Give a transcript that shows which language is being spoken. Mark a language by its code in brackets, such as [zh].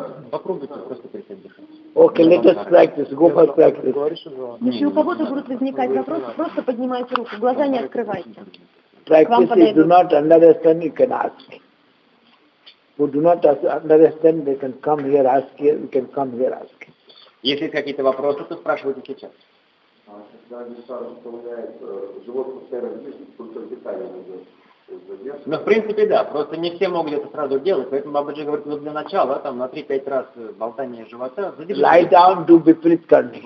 [ru] Попробуйте просто перестать дышать. [en] Okay, let us practice. Go for practice. [ru] Если у кого-то будут возникать вопросы, просто поднимайте руку, глаза не открывайте. [en] Practice, if you do not understand, you can ask. Who do not understand, they can come here, ask here, you can come here, ask here. [ru] Если есть какие-то вопросы, то спрашивайте сейчас. А когда Агнистара заставляет живот постоянно движется, только дыхание уже задерживается? Ну, в принципе, да. Просто не все могут это сразу делать. Поэтому Бабаджи говорит, вот для начала, там, на 3-5 раз болтание живота задержите. [en] Lie down, do be pritkarni.